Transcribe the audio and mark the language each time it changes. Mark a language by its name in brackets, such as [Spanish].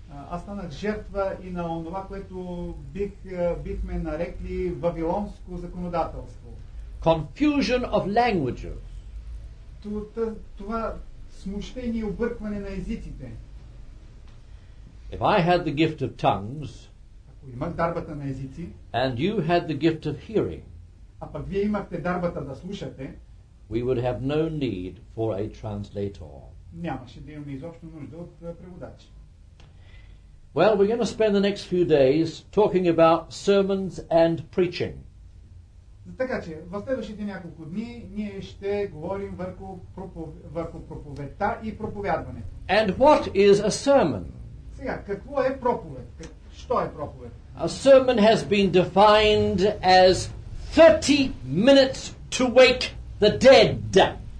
[Bulgarian] Аз станах жертва и на онова, което бихме нарекли вавилонско законодателство. [English] Confusion of languages. [Bulgarian] Това смущение и объркване на езиците. [English] If I had the gift of tongues, [Bulgarian] ако имах дарбата на езици, [English] and you had the gift of hearing, [Bulgarian] а пък вие имахте дарбата да слушате, [English] we would have no need for a translator. [Bulgarian] Нямаше да имаме изобщо нужда от преводач. [English] Well, we're going to spend the next few days talking about sermons and preaching. [Bulgarian] Така че, в следващите няколко дни ние ще говорим върху проповедта и проповядването. [English] And what is a sermon? [Bulgarian] Сега, какво е проповед? Що е проповед? [English] A sermon has been defined as 30 minutes to wake the dead.